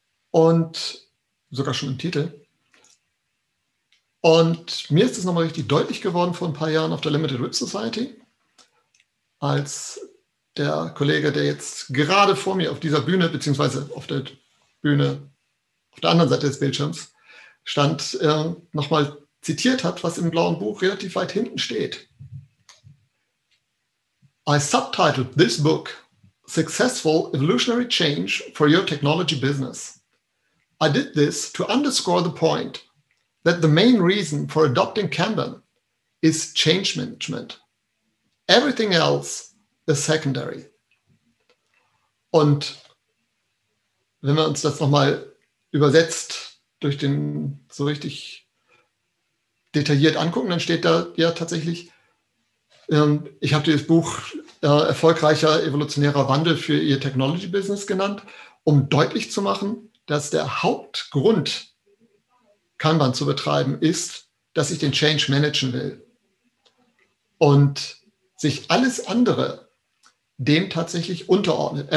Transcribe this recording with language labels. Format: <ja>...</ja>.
<de>Und sogar schon im Titel. Und mir ist das nochmal richtig deutlich geworden vor ein paar Jahren auf der Limited Web Society, als der Kollege, der jetzt gerade vor mir auf dieser Bühne, beziehungsweise auf der Bühne auf der anderen Seite des Bildschirms stand, nochmal zitiert hat, was im Blauen Buch relativ weit hinten steht.</de> <en>I subtitled this book Successful Evolutionary Change for Your Technology Business. I did this to underscore the point that the main reason for adopting Kanban is change management. Everything else is secondary.</en> <de>Und wenn wir uns das nochmal übersetzt durch den so richtig detailliert angucken, dann steht da ja tatsächlich, ich habe dieses Buch Erfolgreicher evolutionärer Wandel für Ihr Technology-Business genannt, um deutlich zu machen, dass der Hauptgrund, Kanban zu betreiben, ist, dass ich den Change managen will und sich alles andere dem tatsächlich unterordnet.</de>